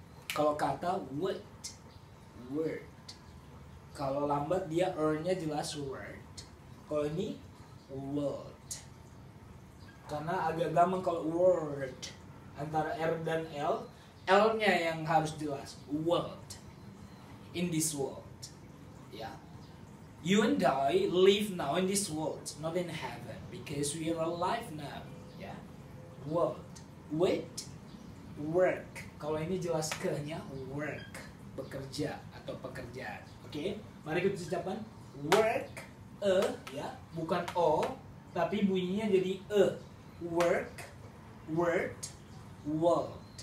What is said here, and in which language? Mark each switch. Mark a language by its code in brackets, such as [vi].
[id] Kalau kata word, word. Kalau lambat dia R-nya jelas word. Kalau ini world. Karena agak gampang kalau word antara R dan L, L-nya yang harus jelas. [en] World, in this world, ya. Yeah. You and I live now in this world, not in heaven, because we are alive now, [id] ya. [en] Yeah. World, with, work. [id] Kalau ini jelas ke-nya, work, bekerja atau pekerjaan. Oke, okay? Mari kita ucapkan work, e, ya, yeah. Bukan o, tapi bunyinya jadi e. Work, word, world.